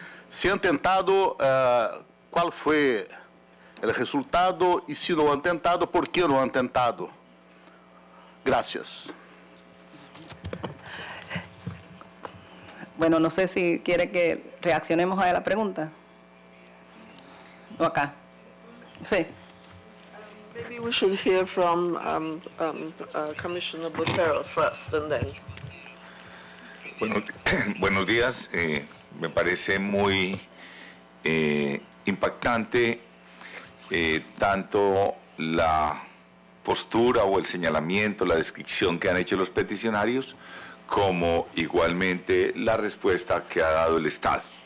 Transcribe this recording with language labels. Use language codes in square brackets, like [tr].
[es] Si han tentado, ¿cuál fue el resultado? Y si no han tentado, ¿por qué no han tentado? Gracias. Bueno, no sé si quiere que reaccionemos a la pregunta. O acá. Sí. [en] Maybe we should hear from Commissioner Botero first, and then. [es] Buenos días. Me parece muy impactante tanto la postura o el señalamiento, la descripción que han hecho los peticionarios, como igualmente la respuesta que ha dado el Estado.